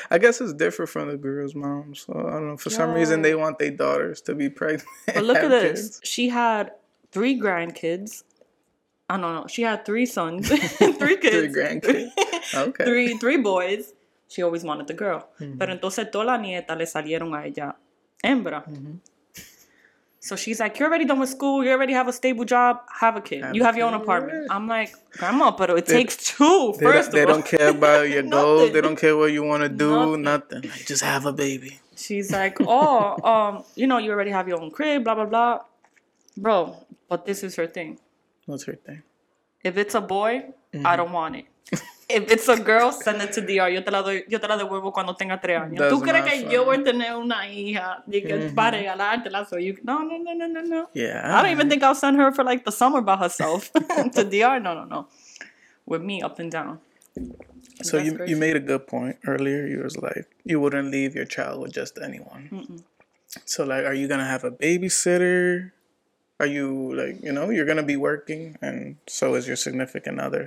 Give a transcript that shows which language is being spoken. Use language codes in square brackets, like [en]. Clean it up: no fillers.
[en] I guess it's different from the girls' moms. So, I don't know. For some reason, they want their daughters to be pregnant. But look at this. Kids. She had three grandkids. I don't know. She had three sons. Three kids. Three grandkids. Okay. Three boys. She always wanted the girl. Mm-hmm. [es] Pero entonces toda la nieta le salieron a ella hembra. [en] So she's like, you're already done with school. You already have a stable job. Have a kid. You have your own apartment. I'm like, grandma, but it takes two, first of all. They don't care about your goals. They don't care what you want to do. Nothing. Like, just have a baby. She's like, oh, you know, you already have your own crib, blah, blah, blah. Bro, but this is her thing. What's her thing? If it's a boy, I don't want it. If it's a girl, send it to DR. [es] Yo te la devuelvo cuando tenga 3 años. [en] That's, [es] ¿tú crees que yo voy a tener una hija? Dije, para regalártela. [en] So you, no. Yeah. I don't even think I'll send her for like the summer by herself to DR. No. With me, up and down. So you made a good point earlier. You was like, you wouldn't leave your child with just anyone. Mm-mm. So like, are you going to have a babysitter? Are you, like, you know, you're going to be working, and so is your significant other.